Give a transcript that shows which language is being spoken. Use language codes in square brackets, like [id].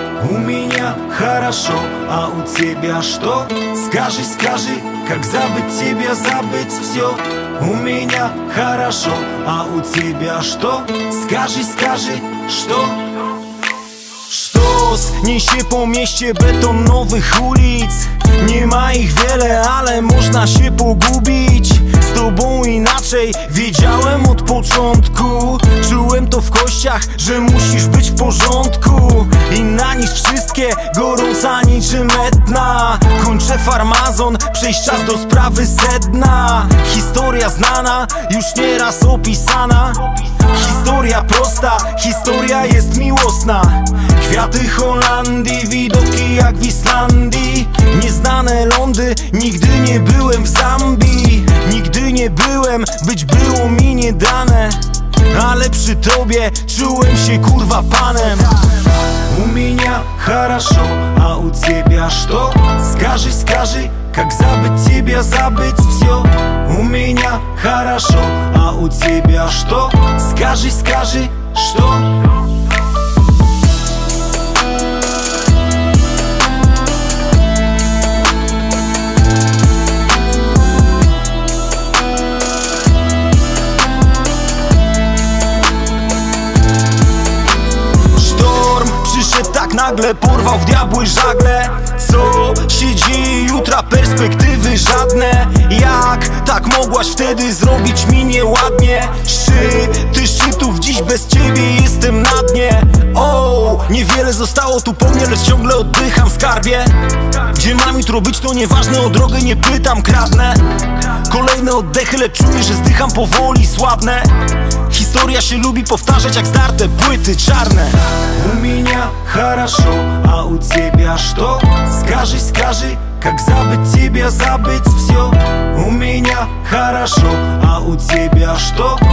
[ru] У меня хорошо, а у тебя что? Скажи, скажи, как забыть тебя, забыть все. У меня хорошо, а у тебя что? Скажи, скажи, что? Что с нищей по мieście бетон новых улиц? [pl] Nie ma ich wiele, ale można się pogubić. Z tobą inaczej wiedziałem od początku. Czułem to w kościach, że musisz być w porządku. Inna niż wszystkie, gorąca niczym Etna. Kończę farmazon, przejść czas do sprawy sedna. Historia znana, już nieraz opisana. Historia prosta, historia jest miłosna. Kwiaty Holandii, widoki jak w Islandii. Nieznane lądy, nigdy nie byłem w Zambii. Nigdy nie byłem, być było mi nie dane. Ale przy tobie czułem się kurwa panem. U mnie [ru] хорошо, [pl] a u ciebie [ru] что? Скажи, скажи, как забыть тебя, забыть все. У меня хорошо, а у тебя что? Скажи, скажи, что? [pl] Storm przyszedł tak nagle, porwał w diabły żagle. Co się dzieje jutra, perspektywy żadne. Jak tak mogłaś wtedy zrobić mi nieładnie? Szczyty szczytów, dziś bez ciebie jestem na dnie. Oh, niewiele zostało tu po mnie, lecz ciągle oddycham w skarbie. Gdzie mam jutro być, to nieważne, o drogę nie pytam, kradnę. Kolejne oddechy, lecz czuję, że zdycham powoli, słabnę. Historia się lubi powtarzać jak zdarte płyty czarne. U mnie [ru] хорошо, [pl] a u ciebie [ru] что? Скажи, скажи, как забыть тебя, забыть все. У меня хорошо, а у тебя что?